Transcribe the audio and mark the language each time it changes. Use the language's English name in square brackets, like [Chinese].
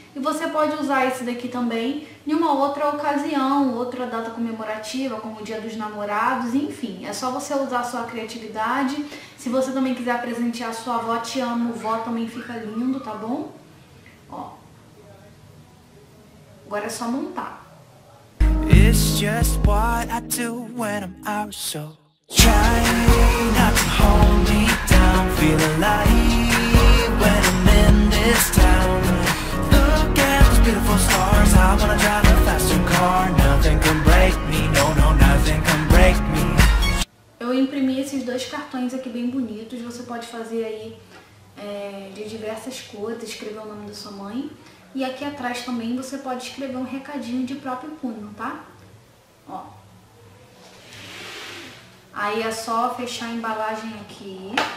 [Portuguese] E você pode usar esse daqui também em uma outra ocasião, outra data comemorativa, como o Dia dos Namorados, enfim. É só você usar a sua criatividade. Se você também quiser presentear a sua avó, te amo, vó, também fica lindo, tá bom? Ó. Agora é só montar. [English] It's just what I do when I'm out, so try not to hold me down, feel alive when I'm in this town. Beautiful stars, I wanna drive a faster car. Nothing can break me, no, no, nothing can break me. [Portuguese] Eu imprimi esses dois cartões aqui bem bonitos. Você pode fazer aí de diversas cores, escrever o nome da sua mãe. E aqui atrás também você pode escrever um recadinho de próprio punho, tá? Ó. Aí é só fechar a embalagem aqui.